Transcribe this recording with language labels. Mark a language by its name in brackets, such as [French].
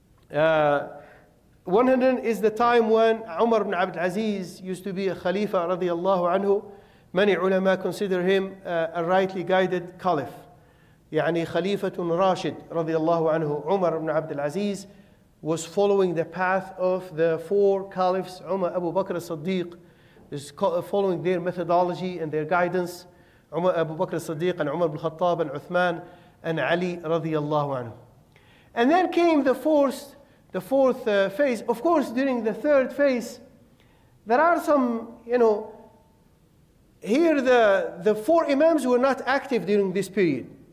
[English] 100 is the time when Umar ibn Abd al-Aziz used to be a Khalifa radiallahu anhu. Many ulama consider him a rightly guided caliph. [Arabic] يعني خليفة راشد رضي الله عنه. [English] Umar ibn Abd al-Aziz was following the path of the four caliphs, Umar, Abu Bakr as-Siddiq, is following their methodology and their guidance, Umar, Abu Bakr as-Siddiq, and Umar ibn Khattab, and Uthman, and Ali radiyallahu anhu. And then came the fourth phase. Of course, during the third phase, there are some, you know, here the four imams were not active during this period.